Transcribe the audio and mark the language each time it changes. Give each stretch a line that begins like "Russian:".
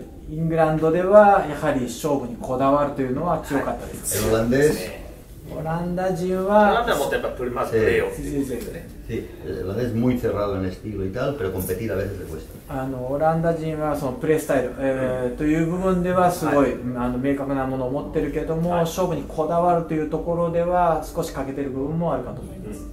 Japanese: Inglaterra では、やはり勝負にこだわるというのは強かったです。
Spanish: El holandés.
Japanese: Holanda 人は。 Holanda もやっぱプレーマスプレーを。
Spanish: Sí, el holandés muy cerrado en estilo y tal, pero competir a veces le cuesta.
Japanese: Holanda 人はそのプレースタイルという部分ではすごい明確なものを持ってるけども、勝負にこだわるというところでは少し欠けてる部分もあるかと思います。